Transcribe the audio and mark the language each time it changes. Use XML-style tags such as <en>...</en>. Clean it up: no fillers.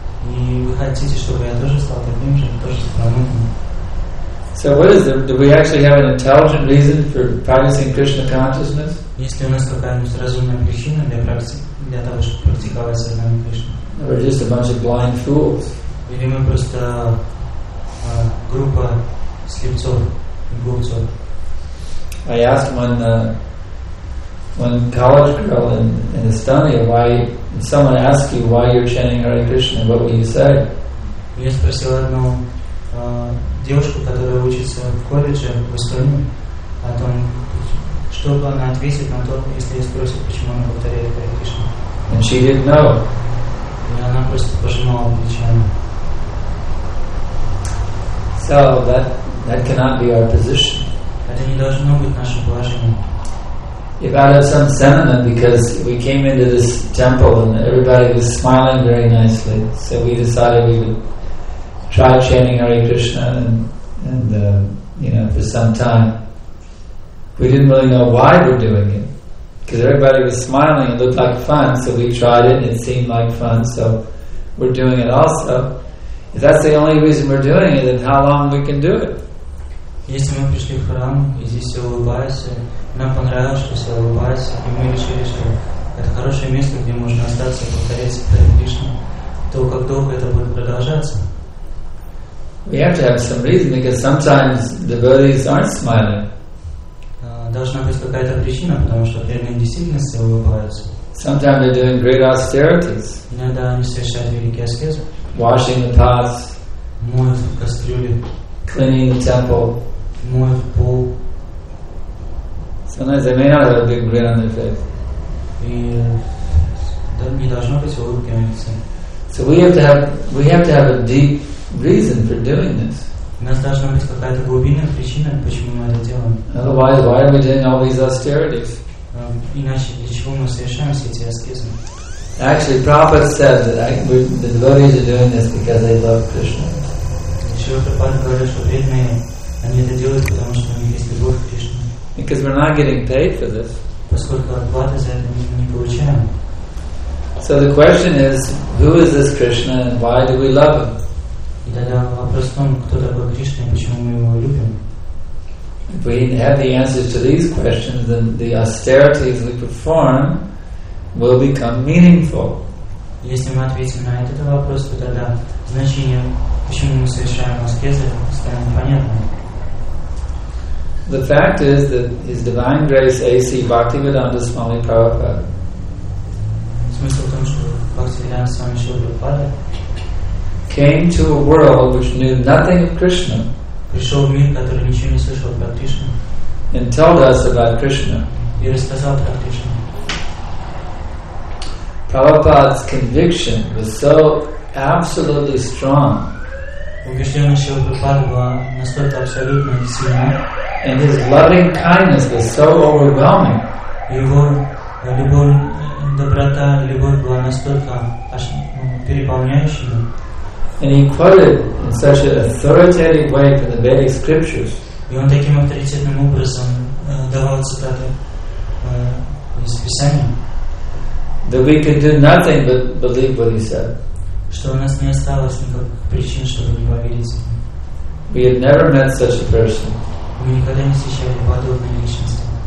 <ru>И вы хотите, чтобы я тоже стал таким же, тоже промытым.</ru> <en>So what is it? Do we actually have an intelligent reason for practicing Krishna consciousness?</en> <ru>Если у нас какая-нибудь разумная причина для практики, для того, чтобы практиковать сознание Кришны?</ru> <en>We're just a bunch of blind fools.</en> <ru>Или мы просто группа слепцов и глупцов.</ru> <en>I asked one college girl in Estonia, why, if someone asked you why you're chanting Hare Krishna, what would you say?</en> <ru>Я спросил одну девушку, которая учится в колледже в Эстонии, о том, что бы она ответит на то, если я спросил, почему она повторяет Hare Krishna.</ru> <en>And she didn't know.</en> <ru>И она просто пожимала плечами.</ru> <en>So that cannot be our position.</en> <ru>Это не должно быть нашим положением.</ru> <en>If out of some sentiment, because we came into this temple and everybody was smiling very nicely, so we decided we would try chanting Hare Krishna for some time. We didn't really know why we're doing it, because everybody was smiling, it looked like fun, so we tried it and it seemed like fun, so we're doing it also. If that's the only reason we're doing it, then how long we can do it?</en> <ru>Если мы пришли в храм, и здесь все улыбается, нам понравилось, что все улыбается, и мы решили, что это хорошее место, где можно остаться и повторяться Hare Krishna, то как долго это будет продолжаться?</ru> <en>We have to have some reason, because sometimes devotees aren't smiling.</en> <ru>Должна быть какая-то причина, потому что преданные действительно все улыбаются.</ru> <en>Sometimes they're doing great austerities.</en> <ru>Иногда они совершают великие аскезы.</ru> <en>Washing the pots.</en> <ru>Моют кастрюли.</ru> <en>Cleaning the temple.</en> <ru>Мой пол.</ru> <en>Sometimes they may not have a big grin on their face.</en> <ru>И не должно быть улыбки на лице.</ru> <en>So we have to have a deep reason for doing this.</en> <ru>У нас должна быть какая-то глубинная причина, почему мы это делаем.</ru> <en>Otherwise, why are we doing all these austerities?</en> <ru>Иначе для чего мы совершаем все эти аскезы?</ru> <en>Actually, Prabhupada said that the devotees are doing this because they love Krishna.</en> <ru>Еще Прабхупада говорит, что бедные они это делают, потому что они есть любовь к Кришне.</ru> <en>Because we're not getting paid for this.</en> <ru>Поскольку оплаты за это мы не получаем.</ru> <en>So the question is, who is this Krishna and why do we love him?</en> <ru>И тогда вопрос в том, кто такой Кришна и почему мы его любим.</ru> <en>If we have the answers to these questions, then the austerities we perform will become meaningful.</en> <ru>Если мы ответим на этот вопрос, то тогда значение, почему мы совершаем аскезы, станет понятным.</ru> <en>The fact is that His Divine Grace A.C. Bhaktivedanta Swami Prabhupada.</en> <ru>Смысл в том, что Бхактивиданта Свами Прабхупада</ru> <en>came to a world which knew nothing of Krishna.</en> <ru>Пришел в мир, который ничего не слышал про Кришну.</ru> <en>And told us about Krishna.</en> <ru>И рассказал про Кришну.</ru> <en>Prabhupada's conviction was so absolutely strong.</en> <ru>Убежденность Шрилы Прабхупады была настолько абсолютно сильна.</ru> <en>And his loving kindness was so overwhelming.</en> <ru>Его любовь, доброта, любовь была настолько переполняющей.</ru> <en>And he quoted in such an authoritative way from the Vedic scriptures.</en> <ru>И он таким авторитетным образом давал цитаты из Писания.</ru> <en>That we could do nothing but believe what he said.</en> <ru>Что у нас не осталось никаких причин, чтобы не поверить.</ru> <en>We had never met such a person.</en> <ru>Мы никогда не встречали подобной личности.</ru>